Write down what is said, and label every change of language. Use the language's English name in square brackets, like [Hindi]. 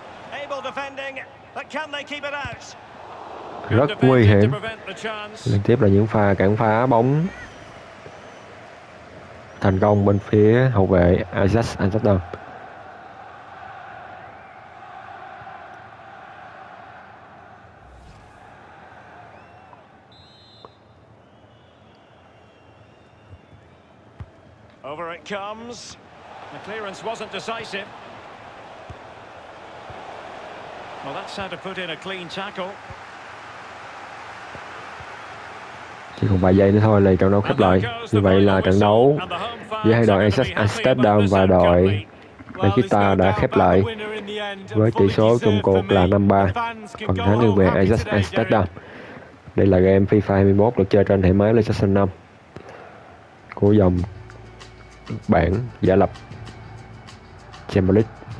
[English] Able defending, but can they keep it out? [Vietnamese] Rất nguy hiểm. Liên tiếp là những pha cản phá bóng thành công bên phía hậu vệ Ajax Amsterdam. [English] Over it comes. The clearance wasn't decisive. Well, that's how to put in a clean tackle. [Vietnamese] Chỉ còn 3 giây nữa thôi là trận đấu khép lại. Như vậy là trận đấu giữa hai đội Ajax Amsterdam và đội Bekita đã khép lại với tỷ số chung cuộc là 5-3. Còn thắng thuộc về Ajax Amsterdam. Đây là game FIFA 21 được chơi trên hệ máy PlayStation 5 của dòng bảng giả lập Champions League.